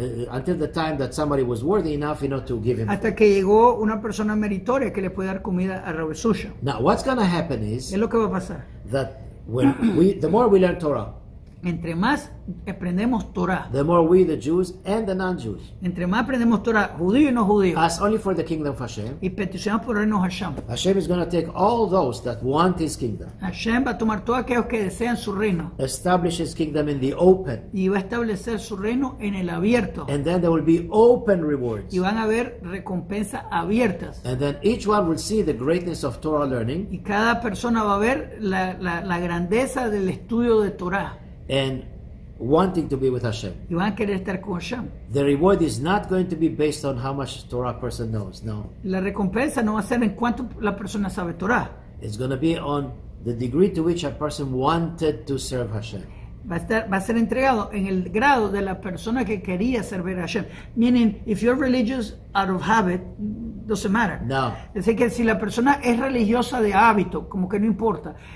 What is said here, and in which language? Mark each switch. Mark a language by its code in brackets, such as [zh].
[en] Until the time that somebody was worthy enough, you know, to give him. [es] Hasta que llegó una persona meritoria que le puede dar comida a Rav Shusha. [en] Now what's going to happen is. [es] Es lo que va a pasar. [en] That when the more we learn Torah. [es] Entre más aprendemos Torah. [en] The more we, the Jews and the non-Jews. [es] Entre más aprendemos Torah, judío y no judío. [en] Ask only for the kingdom of Hashem. [es] Y peticionamos por el reino de Hashem. [en] Hashem is going to take all those that want his kingdom. [es] Hashem va a tomar todos aquellos que desean su reino. [en] Establish his kingdom in the open. [es] Y va a establecer su reino en el abierto. [en] And then there will be open rewards. [es] Y van a haber recompensas abiertas. [en] And then each one will see the greatness of Torah learning. [es] Y cada persona va a ver la grandeza del estudio de Torah. [en] And wanting to be with Hashem. [es] Y van a querer estar con Hashem. [en] The reward is not going to be based on how much Torah a person knows. [es] No. La recompensa no va a ser en cuánto la persona sabe Torah. [en] It's going to be on the degree to which a person wanted to serve Hashem. [es] Va a ser entregado en el grado de la persona que quería servir a Hashem. [en] Meaning, if you're religious out of habit, doesn't matter. [es] No. Es decir, que si la persona es religiosa de hábito, como que no importa.